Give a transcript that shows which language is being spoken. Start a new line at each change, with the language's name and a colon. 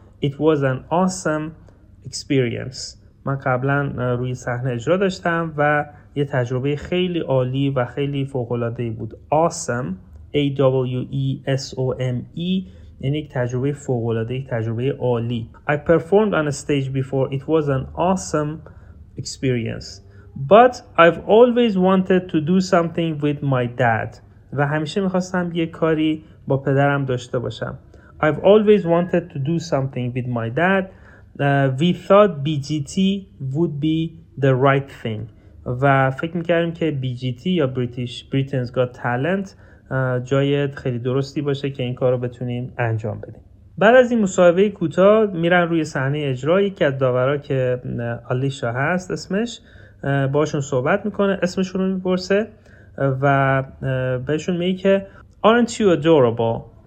English: It was an awesome experience.
Persian: من قبلا روی صحنه اجرا داشتم و یه تجربه خیلی عالی و خیلی فوق‌العاده‌ای بود. Awesome, A-W-E-S-O-M-E, یعنی یک تجربه فوق‌العاده‌ای، تجربه عالی.
English: I performed on a stage before. It was an awesome experience. But I've always wanted to do something with my dad.
Persian: و همیشه می‌خواستم یه کاری با پدرم داشته باشم.
English: I've always wanted to do something with my dad. We thought BGT would be the right thing.
Persian: و فکر میکردیم که BGT یا Britain's Got Talent جای خیلی درستی باشه که این کار رو بتونیم انجام بدیم. بعد از این مصاحبه کوتاه میرن روی صحنه اجرا. یکی از داورا که آلیشا هست اسمش باشون صحبت میکنه، اسمشون رو میپرسه و بهشون میگه که
English: Aren't you adorable?